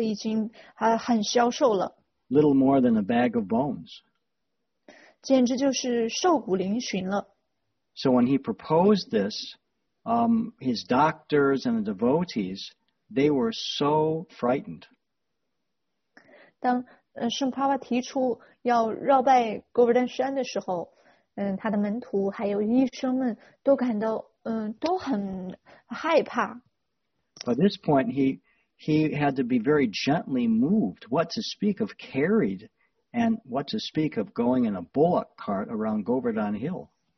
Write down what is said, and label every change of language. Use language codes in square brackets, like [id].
[zh] 那时候Prabhupada已经很消瘦了, [en] little more than a bag of bones. [zh] 简直就是瘦骨嶙峋了。 [en] So when he proposed this, his doctors and the devotees, they were so frightened. [zh] 当圣帕瓦提出要绕拜戈布丹山的时候，他的门徒还有医生们都感到都很害怕。 [en] By this point, he had to be very gently moved, what to speak of carried, and what to speak of going in a bullock cart around Govardhan Hill.